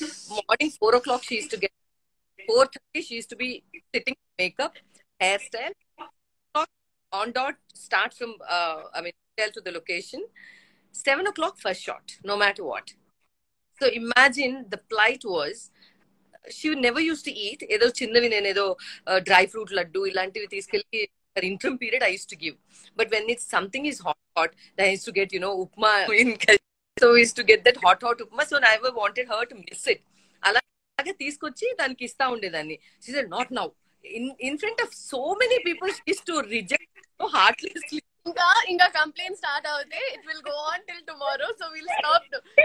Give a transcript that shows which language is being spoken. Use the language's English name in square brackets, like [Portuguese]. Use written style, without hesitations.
[English] Morning 4 o'clock she used to get. 4:30 she used to be sitting in makeup, hairstyle. On dot start from, tell to the location. 7 o'clock first shot, no matter what. So imagine the plight was, she never used to eat. [Telugu] ఏదో చిన్నవి నేను ఏదో dry fruit laddu ఇలాంటివి తీసుకెళ్ళి [English] her interim period I used to give. But when it's something is hot, hot, then I used to get, you know, upma in Kalyan. So we used to get that hot, hot upma. So I never wanted her to miss it. [Telugu] అలాగే తీసుకొచ్చి దానికి ఇస్తా ఉండేదాన్ని. [English] She said, not now. In front of so many people, she used to reject so heartlessly. [Telugu] ఇంకా complaint start అవుతే [English] It will go on till tomorrow, so will stop.